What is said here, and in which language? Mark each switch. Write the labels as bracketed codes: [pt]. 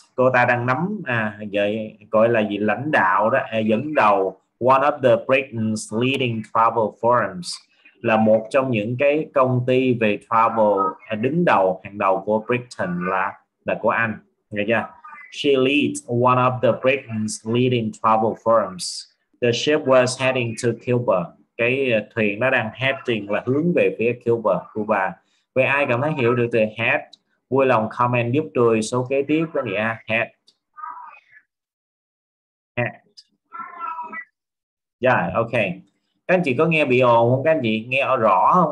[vi] cô ta đang nắm vậy gọi là gì lãnh đạo đó, dẫn đầu [en] one of the Britain's leading travel firms, [vi] là một trong những cái công ty về travel đứng đầu hàng đầu của Britain là của Anh, nghe chưa? [en] She leads one of the Britain's leading travel firms. The ship was heading to Cuba. [vi] Cái thuyền nó đang [en] heading [vi] là hướng về phía Cuba, Cuba. Vậy ai cảm thấy hiểu được từ head, vui lòng comment giúp tôi số kế tiếp với nghĩa head. Ok. Các anh chị có nghe bị ồn không? Các anh chị nghe rõ không?